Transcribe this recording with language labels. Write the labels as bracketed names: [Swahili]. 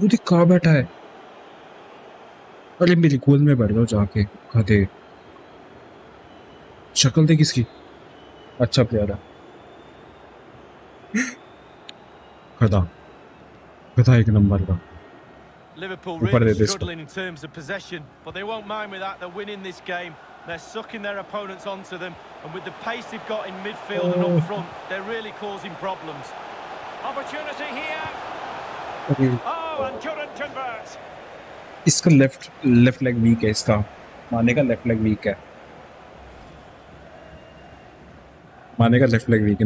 [Hindi] कहा बैठा है, अरे मेरी गोद में बैठ जाओ जाके, खाते शक्ल देख इसकी, अच्छा प्यारा खदा, खदा एक नंबर का। [English] Liverpool really struggling in terms of possession, but they won't mind with that. They're winning this game. They're sucking their opponents onto them, and with the pace they've got in midfield and up front, they're really causing problems. Opportunity here. Oh, and couldn't convert. [Hindi] इसका [English] left leg weak [Hindi] है इसका. मानेगा [English] left leg weak [Hindi] है. मानेगा [English] left leg weak [Hindi] है.